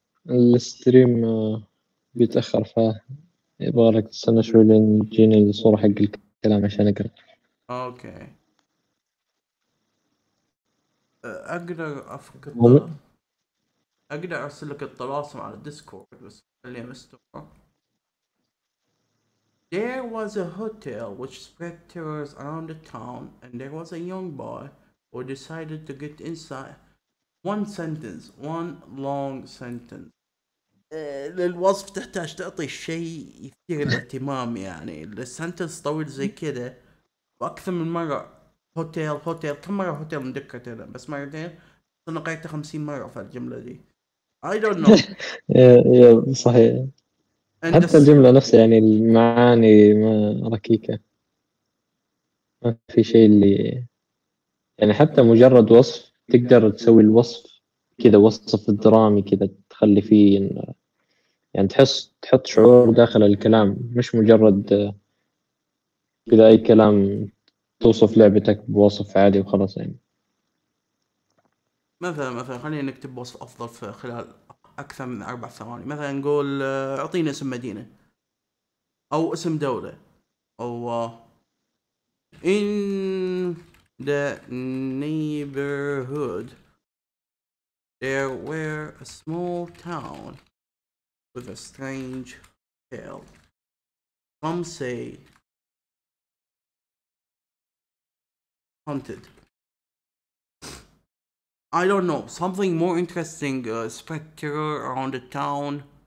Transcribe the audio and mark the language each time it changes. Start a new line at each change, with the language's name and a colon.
Arabic: الستريم بيتأخر، فا يبغى لك تستنى شوي لين جيني الصورة حق الكلام عشان أقرأ. أوكي. اقدر افكر اقدر ارسل لك الطلاسم على الديسكورد بس خليها مستوى.
English: There was a hotel which spread terrors around the town and there was a young boy who decided to get inside. One sentence, one long sentence.
Arabic: للوصف تحتاج تعطي شيء يثير الاهتمام يعني السنتنس طويل زي كده واكثر من مره. هوتيل هوتيل كم مره هوتيل من دكه هنا بس مرتين انا قريتها 50 مره في الجمله دي.
English: I don't know.
Arabic: يا صحيح حتى الجمله نفسها يعني المعاني ما ركيكه ما في شيء اللي يعني حتى مجرد وصف تقدر تسوي الوصف كذا وصف درامي كذا تخلي فيه يعني تحس تحط شعور داخل الكلام مش مجرد كذا أي كلام توصف لعبتك بوصف عادي وخلاص يعني. مثلا مثلا خلينا نكتب وصف أفضل في خلال أكثر من 4 ثواني مثلا نقول أعطيني اسم مدينة أو اسم دولة أو إن
English: The neighborhood. There were a small town with a strange tale. Some say haunted. I don't know. Something more interesting. Spread terror around the town.